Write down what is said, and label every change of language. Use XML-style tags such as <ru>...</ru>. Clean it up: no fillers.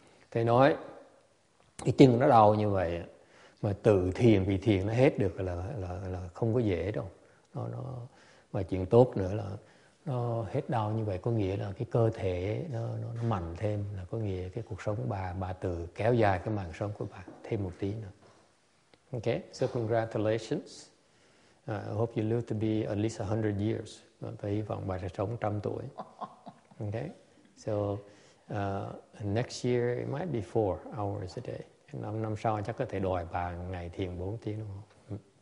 <vi>Thầy nói, cái chân nó đau như vậy, mà tự thiền vì thiền nó hết được là không có dễ đâu. Nó mà chuyện tốt nữa là nó hết đau như vậy có nghĩa là cái cơ thể nó mạnh thêm, là có nghĩa cái cuộc sống của bà tự kéo dài cái mạng sống của bà thêm một tí nữa.</vi> <en>Okay, so congratulations. I hope you live to be at least 100 years.</en> <vi>Tôi hy vọng bà sẽ sống 100 tuổi.</vi> <en>Okay, so next year it might be 4 hours a day.</en> <vi>Năm sau chắc có thể đòi bà ngày thiền 4 tiếng đúng không?</vi>